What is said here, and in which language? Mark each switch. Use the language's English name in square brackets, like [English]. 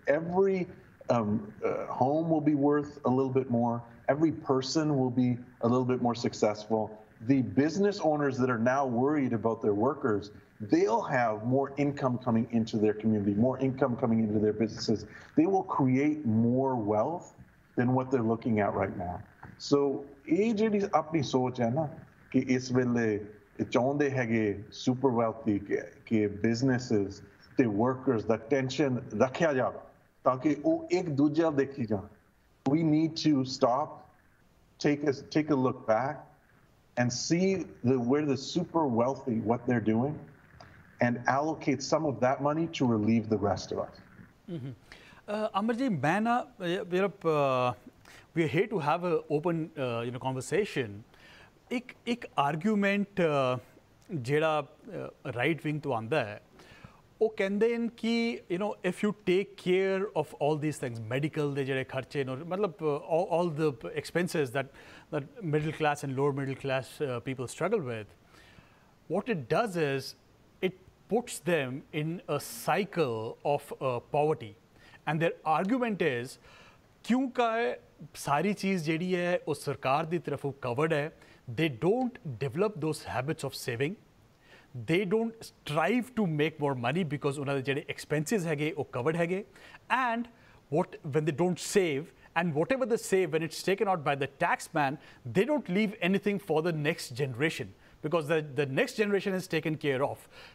[English] Every home will be worth a little bit more, every person will be a little bit more successful. The business owners that are now worried about their workers, they'll have more income coming into their community, more income coming into their businesses. They will create more wealth than what they're looking at right now. [Punjabi] So eh jehdi apni soch hai na ਕਿ ਇਸ ਵੇਲੇ ਚਾਹੁੰਦੇ ਹੈਗੇ super wealthy ਕਿ businesses ਅਤੇ workers ਦਾ tension ਰੱਖਿਆ ਜਾਵੇ ਤਾਂ ਕਿ ਉਹ ਇੱਕ ਦੂਜੇ ਵੱਲ ਦੇਖੀ ਜਾਣ। [English] We need to stop, take a look back and see where the super wealthy what they are doing and allocate some of that money to relieve the rest of us. Amar ji, [Punjabi] ਮੈਂ ਨਾ [English] We are here to have a open you know conversation. [Punjabi] ਇੱਕ argument ਜਿਹੜਾ right wing ਤੋਂ ਆਉਂਦਾ ਹੈ, ਉਹ ਕਹਿੰਦੇ ਹਨ ਕਿ [English] you know if you take care of all these things, [Punjabi] medical ਦੇ ਜਿਹੜੇ ਖਰਚੇ ਨੇ, ਮਤਲਬ [English] All the expenses that middle class and lower middle class people struggle with, what it does is it puts them in a cycle of poverty. And their argument is [Punjabi] ਕਿਉਂ ਕਿ ਸਾਰੀ ਚੀਜ਼ ਜਿਹੜੀ ਹੈ ਉਹ ਸਰਕਾਰ ਦੀ ਤਰਫੋਂ ਕਵਰਡ ਹੈ, [English] they don't develop those habits of saving, they don't strive to make more money because [Punjabi] unna de jehde expenses hage oh covered hage, [English] and what when they don't save and whatever they save when it's taken out by the tax man, they don't leave anything for the next generation because the next generation is taken care of.